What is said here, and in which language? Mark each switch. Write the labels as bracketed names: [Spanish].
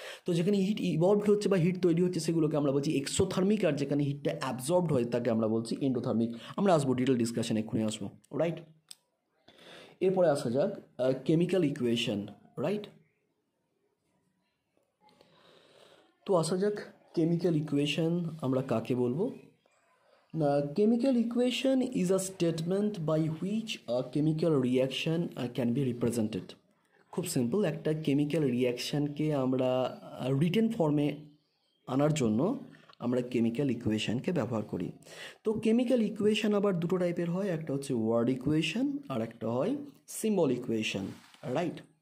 [Bangla] তো যেখানে hit evolved হচ্ছে বা হিট তৈরি হচ্ছে সেগুলোকে আমরা বলছি এক্সোথার্মিক, আর যেখানে হিটটা অ্যাবজর্বড হয় তাকে আমরা বলছি এন্ডোথার্মিক। আমরা আসবো ডিটেল ডিসকাশনে, এক্ষুনি আসবো, রাইট? এরপরে আসা যাক কেমিক্যাল ইকুয়েশন, রাইট? তো আসা যাক কেমিক্যাল ইকুয়েশন আমরা কাকে বলবো। [English] The chemical equation is a statement by which a chemical reaction can be represented. [Bangla] খুব সিম্পল, একটা কেমিক্যাল রিয়াকশানকে আমরা রিটেন ফর্মে আনার জন্য আমরা কেমিক্যাল ইকুয়েশানকে ব্যবহার করি। তো কেমিক্যাল ইকুয়েশান আবার দুটো টাইপের হয়, একটা হচ্ছে ওয়ার্ড ইকুয়েশান আর একটা হয় সিম্বল ইকুয়েশান, রাইট?